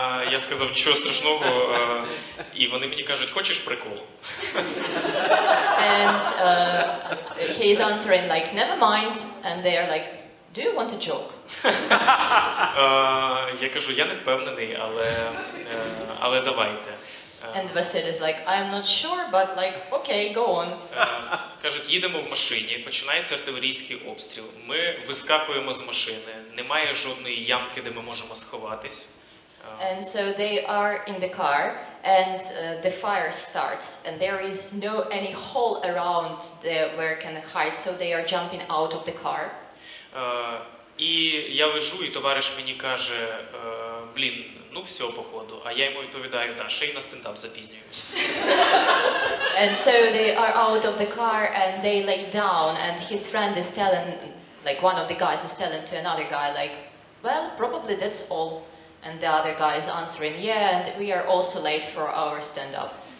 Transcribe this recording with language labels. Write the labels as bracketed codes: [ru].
[uk] Я сказав, нічого страшного, і вони мені кажуть, хочеш прикол? [en] And he is answering like, never mind, and they are like, do you want a joke? [uk] Я кажу, я не впевнений, але давайте. [en] And Vasily is like, I'm not sure, but like, okay, go on. [uk] Кажуть, їдемо в машині, починається артилерійський обстріл. Ми вискакуємо з машини, немає жодної ямки, де ми можемо сховатись. [en] And so they are in the car, and the fire starts, and there is no any hole around there where can hide, so they are jumping out of the car. [uk] І я лежу, і товариш мені каже, блін, ну все, походу. А я йому відповідаю, так, ще й на стендап запізнююсь. [en] And so they are out of the car and they lay down, and his friend is telling, like one of the guys is telling to another guy, like, well, probably that's all. And the other guy is answering, yeah, and we are also late for our stand-up.